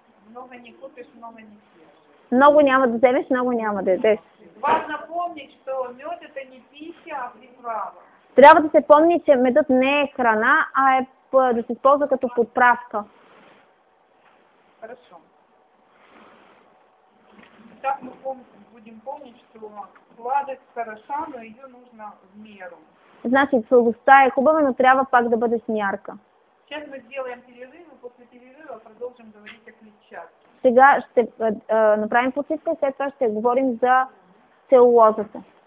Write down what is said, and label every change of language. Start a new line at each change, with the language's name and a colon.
Russian: Много не купиш, много не съешь.
Bulgarian: Много няма да вземеш, много няма да едеш.
Russian: Важно помнить, что мед это не пища, а приправа.
Bulgarian: Трябва да се помни, че медът не е храна, а е да се използва като подправка.
Russian: Хорошо. Так мы будем помнить, что сладость хороша, но ее нужно в меру.
Bulgarian: Значит, сладость е хубава, но трябва пак да бъде с мярка.
Russian: Сейчас мы сделаем перерыв, и после перерыва продолжим говорить о клетчатке.
Bulgarian: Сега ще направим почивка, след това ще говорим за целулозата.